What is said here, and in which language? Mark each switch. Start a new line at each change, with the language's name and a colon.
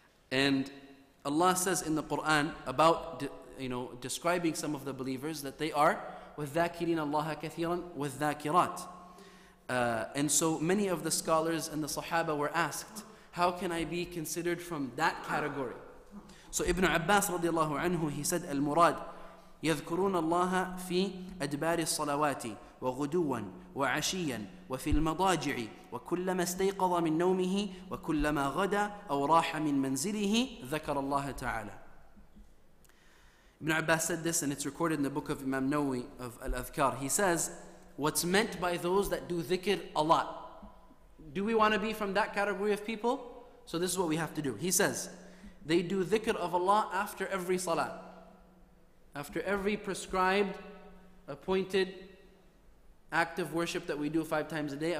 English: And Allah says in the Quran about, you know, describing some of the believers that they are
Arabic: وَذَّاكِرِينَ اللَّهَ كَثِيرًا وَالذَّاكِرَاتِ.
English: And so many of the scholars and the Sahaba were asked, how can I be considered from that category? So Ibn Abbas radiallahu anhu, he said,
Arabic: المراد يذكرون الله في أدبار الصلوات وغدوا وعشيا وفي المضاجع وكلما استيقظ من نومه وكلما غدا أو راح من منزله ذكر الله تعالى.
English: Ibn Abbas said this, and it's recorded in the book of Imam Nawawi of Al-Adhkar. He says, what's meant by those that do dhikr a lot? Do we want to be from that category of people? So this is what we have to do. He says, they do dhikr of Allah after every salah, after every prescribed, appointed act of worship that we do 5 times a day.